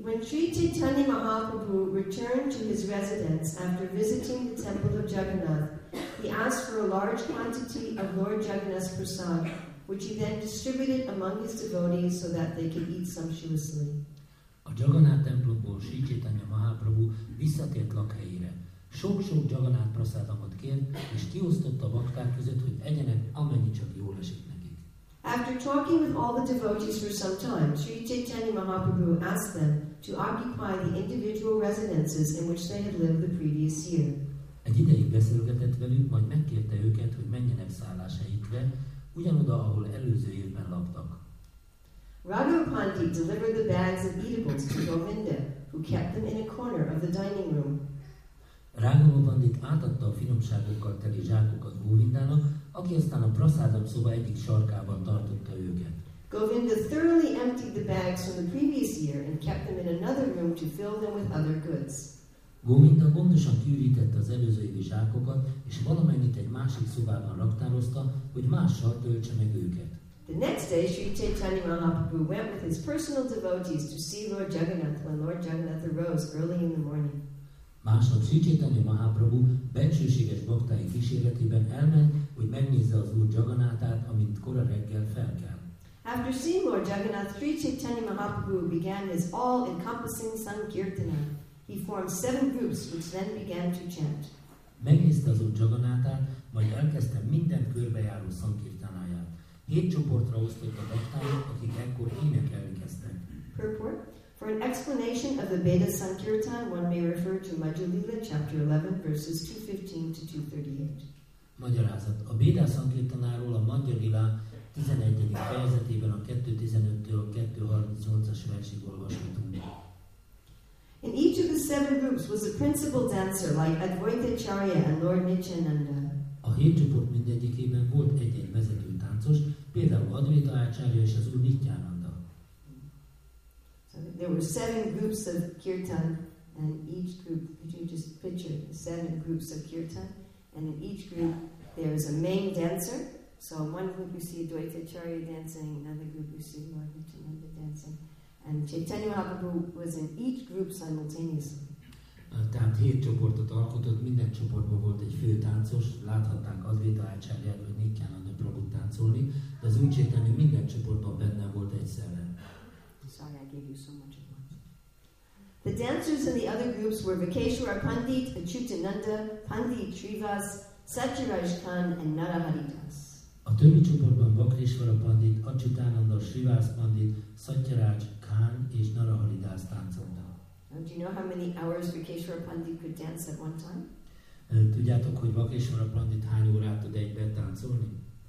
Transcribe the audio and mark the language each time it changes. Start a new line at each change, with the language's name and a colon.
English: When Sri Chaitanya Mahaprabhu returned to his residence after visiting the temple of Jagannath, he asked for a large quantity of Lord Jagannath's prasad, which he then distributed among his devotees so that they could eat sumptuously.
Hungarian: A Jagannath templomból Sri Chaitanya Mahaprabhu visszatért lakhelyére. Sok-sok Jagannath prasadamot kért, és kiosztotta a bakták között, hogy egyenek amennyi csak jól esik nekik.
English: After talking with all the devotees for some time, Sri Chaitanya Mahaprabhu asked them to occupy the individual residences in which they had lived the previous year.
Hungarian: Egy ideig beszélgetett velük, majd megkérte őket, hogy menjenek szálláshelyükre, ugyanoda, ahol előző évben laktak.
English: Raghupandi delivered the bags of eatables to Govinda, who kept them in a corner of the dining room.
Hungarian: Raghava Pandit átadta a finomságokkal teli zsákokat Govindának, aki aztán a prasádam szoba egyik sarkában tartotta őket.
English: Govinda thoroughly emptied the bags from the previous year and kept them in another room to fill them with other goods.
Hungarian: Govinda gondosan kiürítette az előző évi zsákokat, és valamennyit egy másik szobában raktározta, hogy mással töltse meg őket.
English: The next day, Sri Chaitanya Mahaprabhu went with his personal devotees to see Lord Jagannath when Lord Jagannath arose early in the morning.
Hungarian: Másnap Sri Chaitanya Mahaprabhu bensőséges baktái kísérletében elment, hogy megnézze az Úr Jagannathát, amint kora reggel felkel.
English: After seeing Lord Jagannath, Sri Chaitanya Mahaprabhu began his all-encompassing Sankirtana. He formed seven groups, which then began to chant.
Hungarian: Megnézte az Úr Jagannathát, majd elkezdte minden körbejáró Sankirtanáját. Hét csoportra osztott a baktáit, akik ekkor énekelni kezdtek.
English: Purport. For an explanation of the Veda Sankirtan, one may refer to Majjhalila chapter 11, verses 215-238.
Hungarian: Magyarázat. A Veda Sankirtanáról a Majjhalila 11. fejezetében a 215-238-as versig olvashatunk.
English: In each of the seven groups was a principal dancer like Advaita Acharya and Lord Nityananda.
Hungarian: A hét csoport mindegyikében volt egy-egy vezető táncos, például Advaita Acharya és az Úr Nityananda.
English: There were seven groups of kirtan, and each group, could you just picture the seven groups of kirtan, and in each group there is a main dancer, so in one group you see Advaita Acharya dancing, another group you see Lord Nityananda dancing, and Chaitanya Mahaprabhu was in each group simultaneously.
Hungarian: Tehát hét csoportot alkotott, minden csoportban volt egy fő táncos, láthatták Advaita Acharya, hogy Nityananda Prabhu táncolni, de az Úr Chaitanya minden csoportban benne volt egyszerre.
English: Sorry, I gave you so much at once. The dancers in the other groups were Vakeshwara Pandit, Achyutananda, Pandit Srivas, Satyaraj Khan, and Narahari Das.
Hungarian: A többi csoportban Vakeshwara Pandit, Achyutananda, Srivas Pandit, Satyaraj Khan, és Narahari Das táncolta.
English: Do you know how many hours Vakeshwara Pandit could dance at one time?
Hungarian: Tudjátok, hogy Vakeshwara Pandit hány órát tud egyben táncolni?